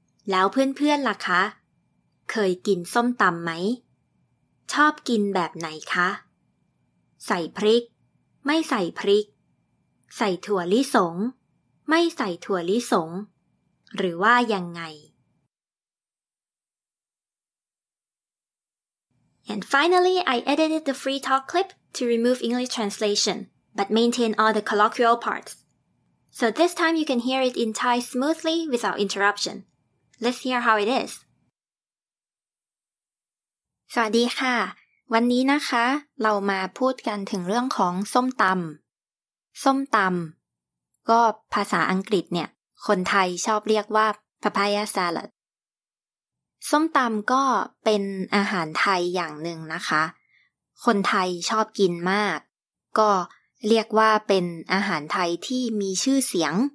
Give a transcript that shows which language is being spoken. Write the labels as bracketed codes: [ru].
[th] แล้วเพื่อนๆล่ะคะเคยกินส้มตำไหมชอบกินแบบไหนคะใส่พริกไม่ใส่พริกใส่ถั่วลิสงไม่ใส่ถั่วลิสงหรือว่ายังไง [en] And finally, I edited the free talk clip to remove English translation, but maintain all the colloquial parts. So this time you can hear it in Thai smoothly without interruption. Let's hear how it is. [th] สวัสดีค่ะวันนี้นะคะเรามาพูดกันถึงเรื่องของส้มตำส้มตำก็ภาษาอังกฤษเนี่ยคนไทยชอบเรียกว่า [en] papaya salad [th] ส้มตำก็เป็นอาหารไทยอย่างหนึ่งนะคะคนไทยชอบกินมากก็เรียกว่าเป็นอาหารไทยที่มีชื่อเสียง